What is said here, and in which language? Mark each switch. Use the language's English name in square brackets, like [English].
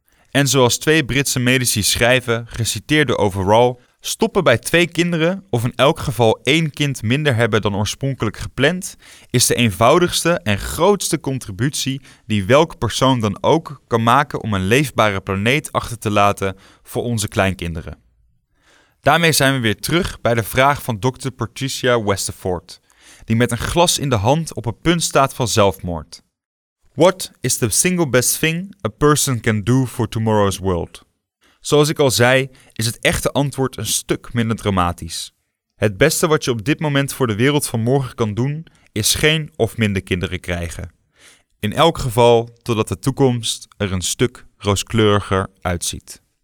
[Dutch] En zoals twee Britse medici schrijven, geciteerd door Overall, stoppen bij twee kinderen of in elk geval één kind minder hebben dan oorspronkelijk gepland, is de eenvoudigste en grootste contributie die welke persoon dan ook kan maken om een leefbare planeet achter te laten voor onze kleinkinderen. Daarmee zijn we weer terug bij de vraag van Dr. Patricia Westerford, die met een glas in de hand op het punt staat van zelfmoord. [English] What is the single best thing a person can do for tomorrow's world? [Dutch] Zoals ik al zei, is het echte antwoord een stuk minder dramatisch. Het beste wat je op dit moment voor de wereld van morgen kan doen, is geen of minder kinderen krijgen. In elk geval totdat de toekomst er een stuk rooskleuriger uitziet.